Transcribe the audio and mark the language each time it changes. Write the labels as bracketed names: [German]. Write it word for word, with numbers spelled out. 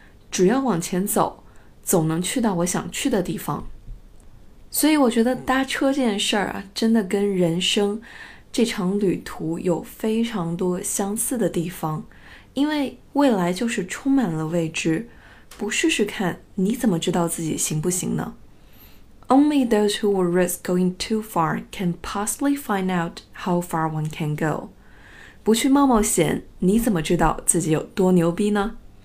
[Chinese] 只要往前走，总能去到我想去的地方。所以我觉得搭车这件事儿啊，真的跟人生这场旅途有非常多相似的地方，因为未来就是充满了未知，不试试看，你怎么知道自己行不行呢？ [English] Only those who will risk going too far can possibly find out how far one can go。 [Chinese] 不去冒冒险，你怎么知道自己有多牛逼呢？